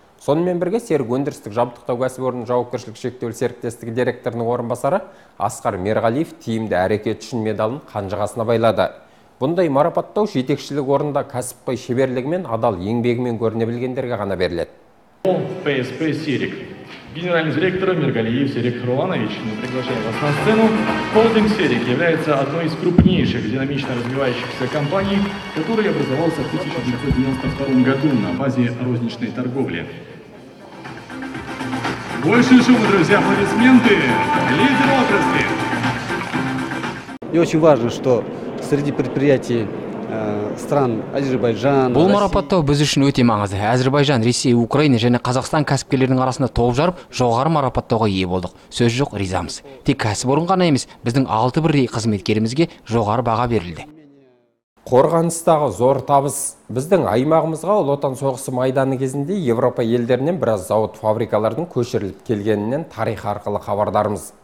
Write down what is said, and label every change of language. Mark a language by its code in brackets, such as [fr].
[kk] Сонымен бірге Серік өндірістік жабдықтау кәсіпорны жауапкершілігі шектеулі серіктестігі директорының орынбасары Асқар Мерғалиев тиімді әрекет үшін медалін қанжығасына байлады. Бұндай марапаттау жетекшілік орнында кәсіпқой шеберлігімен, адал еңбегімен көріне білгендерге ғана беріледі. ФСП Серік. [ru] Генеральный директор Мергалиев Серик Руланович, мы приглашаем вас на сцену. Холдинг Серик является одной из крупнейших динамично развивающихся компаний, который образовался в 1992 году на базе розничной торговли. Больше шума, друзья, аплодисменты! Лидер отрасли! И очень важно, что среди предприятий стран Азербайджан. [kk] Бұл марапаттау біз үшін өте маңызды. Әзербайжан, Ресей, Украина және Қазақстан кәсіпкерлерінің арасында топ жарып, жоғары марапаттауға ие болдық. Сөз жоқ, ризамыз. Тек кәсіпорын ғана емес, біздің 6 бірдей қызметкерімізге жоғары баға берілді. Қорғаныстағы зор табыс. Біздің аймағымызға Ұлы Отан соғысы майданы кезінде Еуропа елдерінен біраз зауыт фабрикалардың көшіріліп келгенінен тарих арқылы хабардармыз.